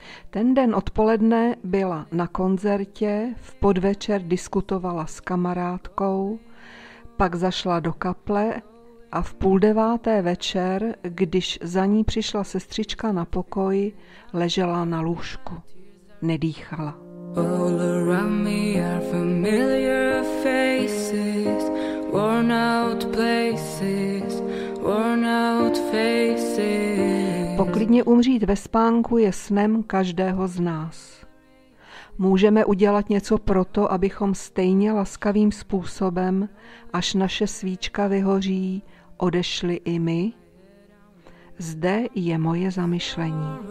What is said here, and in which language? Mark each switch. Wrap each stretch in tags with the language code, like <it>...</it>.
<cs>Ten den odpoledne byla na koncertě, v podvečer diskutovala s kamarádkou, pak zašla do kaple a v 8:30 večer, když za ní přišla sestřička na pokoj, ležela na lůžku. Nedýchala.</cs> <en>All around me are familiar faces, worn out places, worn out faces.</en> <cs>Poklidně umřít ve spánku je snem každého z nás. Můžeme udělat něco proto, abychom stejně laskavým způsobem, až naše svíčka vyhoří, odešli i my? Zde je moje zamyšlení.</cs>